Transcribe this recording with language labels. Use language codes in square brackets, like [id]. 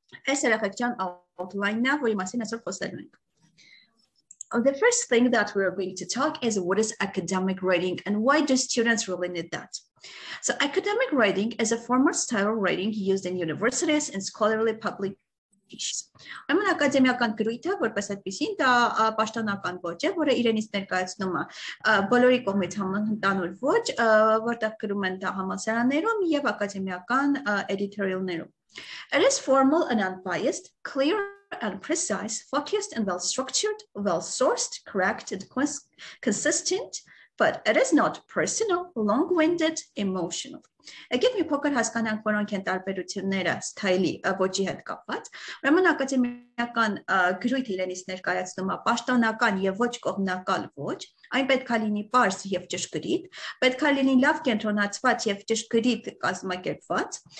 [hy] Այս երեխեքյան outline-ն է, որի մասին այսօր խոսելու ենք. [en] The first thing that we are going to talk is what is academic writing and why do students really need that? So academic writing is a form of style of writing used in universities and scholarly publications. [hy] Այն ակադեմիական գրույթը, որպես այդպեսին, դա պաշտոնական ոճ է, որը իրենից ներկայացնում է բոլորի կողմից համընդհանուր ոճ, որտեղ գրում են դա համալսարաններում եւ ակադեմիական editorial-ներում. [en] It is formal and unbiased, clear and precise, focused and well-structured, well-sourced, correct and consistent, but it is not personal, long-winded, emotional. [hy] Եկեք մի փոքր հասկանանք, որոնք են տարբերությունները սթայլի ոճի հետ կապված։ Ուրեմն ակադեմիական գրույթը իրենից ներկայացնում է պաշտոնական եւ ոչ կողմնակալ ոճ, այն պետք է լինի պարզ եւ ճշգրիտ, պետք է լինի լավ կենտրոնացված եւ ճշգրիտ կազմակերպված,